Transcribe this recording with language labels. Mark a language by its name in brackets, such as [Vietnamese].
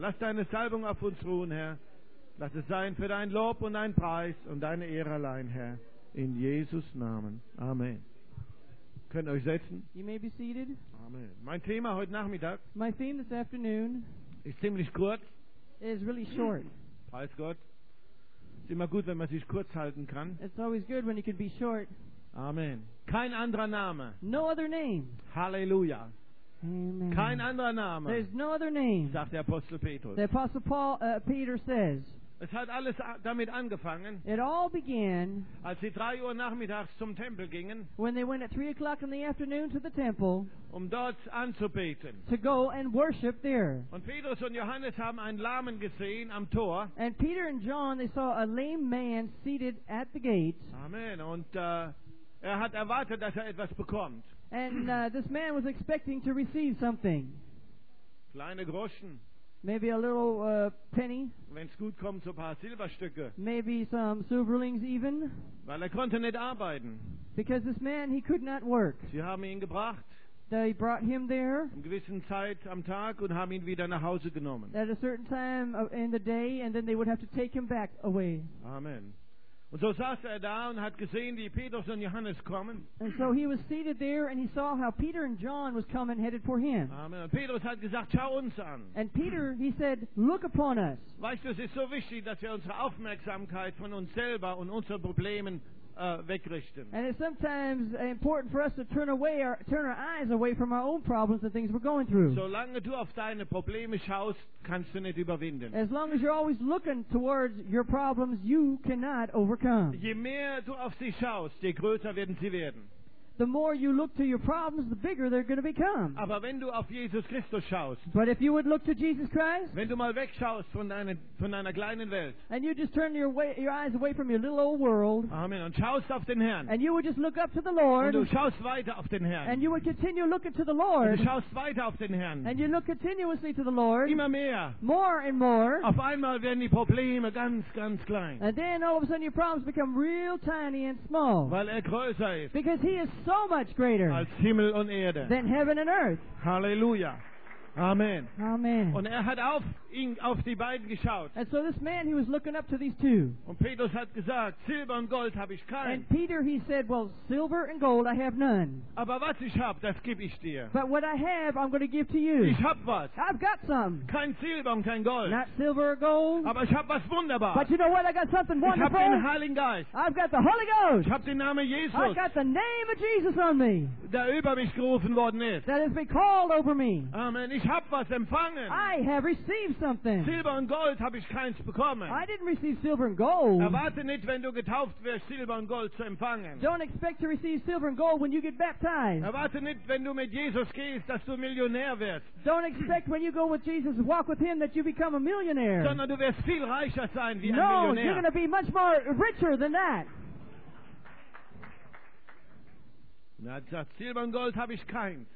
[German] Lass deine Salbung auf uns ruhen, Herr. Lass es sein für dein Lob und deinen Preis und deine Ehre allein, Herr. In Jesus' Namen. Amen. Könnt ihr euch setzen? [English] You may be seated. [German] Amen. Mein Thema heute Nachmittag, [English] my theme this afternoon, [German] ist ziemlich kurz. [English] Is really short. [German] Preis Gott. Es ist immer gut, wenn man sich kurz halten kann. [English] It's always good when you can be short. [German] Amen. Kein anderer Name. [English] No other name. Halleluja. Amen. [German] Kein anderer Name. [English] There's no other name. [German] Sagt der Apostel Petrus. [English] The Apostle Paul, Peter says. [German] Es hat alles damit angefangen. [English] It all began, [German] als sie 3 Uhr nachmittags zum Tempel gingen. [English] When they went at 3 o'clock in the afternoon to the temple. [German] Um dort anzubeten. [English] To go and worship there. [German] Und Petrus und Johannes haben einen Lahmen gesehen am Tor. [English] And Peter and John, they saw a lame man seated at the gate. [German] Amen. Und er hat erwartet, dass etwas bekommt. [English] And this man was expecting to receive something. [German] Kleine Groschen. [English] Maybe a little penny. [German] Wenn's gut kommt, so ein paar Silberstücke. [English] Maybe some silverlings even. [German] Weil konnte nicht arbeiten. [English] Because this man, he could not work. [German] Sie haben ihn gebracht. [English] They brought him there. [German] Um gewissen Zeit am Tag und haben ihn wieder nach Hause genommen. [English] At a certain time in the day, and then they would have to take him back away. Amen. [German] Und so saß er da und hat gesehen, wie Petrus und Johannes kommen. [English] And so he was seated there and he saw how Peter and John was coming headed for him. [German] Amen. Petrus hat gesagt, schau uns an. [English] And Peter, he said, look upon us. [German] Weißt du, es ist so wichtig, dass wir unsere Aufmerksamkeit von uns selber und unseren Problemen wegrichten. [English] And it's sometimes important for us to turn our eyes away from our own problems and things we're going through. [German] Solange du auf deine Probleme schaust, kannst du nicht überwinden. [English] As long as you're always looking towards your problems, you cannot overcome. [German] Je mehr du auf sie schaust, je größer werden sie werden. [English] The more you look to your problems, the bigger they're going to become. [German] Aber wenn du auf Jesus Christus schaust, [English] but if you would look to Jesus Christ, [German] wenn du mal wegschaust von deiner kleinen Welt, [English] and you just turn your eyes away from your little old world, [German] Amen, und schaust auf den Herrn, [English] and you would just look up to the Lord, [German] und du schaust weiter auf den Herrn, [English] and you would continue looking to the Lord, [German] und du schaust weiter auf den Herrn, [English] and you look continuously to the Lord, [German] immer mehr, [English] more and more, [German] auf einmal werden die Probleme ganz, ganz klein, [English] and then all of a sudden your problems become real tiny and small, [German] weil er größer ist, [English] because he is so much greater [German] als Himmel und Erde [English] than heaven and earth. Hallelujah. Amen. Amen. [German] Und hat auf die beiden geschaut. [English] And so this man, he was looking up to these two. [German] Und Petrus hat gesagt, Silber und Gold habe ich kein. [English] And Peter, he said, well, silver and gold I have none. [German] Aber was ich hab, das gebe ich dir. [English] But what I have, I'm going to give to you. [German] Ich hab was. [English] I've got some. [German] Kein Silber und kein Gold. [English] Not silver or gold. [German] Aber ich hab was wunderbar. [English] But you know what? I got something wonderful. [German] Ich hab den Heiligen Geist. [English] I've got the Holy Ghost. [German] Ich hab den Namen Jesus. [English] I've got the name of Jesus on me. [German] Der über mich gerufen worden ist. [English] That has been called over me. [German] Amen. Ich hab was empfangen. [English] I have received something. [German] Silber und Gold habe ich keins bekommen. [English] I didn't receive silver and gold. [German] Erwarte nicht, wenn du getauft wirst, Silber und Gold zu empfangen. [English] Don't expect to receive silver and gold when you get baptized. [German] Erwarte nicht, wenn du mit Jesus gehst, dass du Millionär wirst. [English] Don't expect when you go with Jesus and walk with him that you become a millionaire. [German] Sondern du wirst viel reicher sein wie ein Millionär. [English] No, you're going to be much more richer than that. [German] Er hat gesagt, Silber und Gold habe ich keins.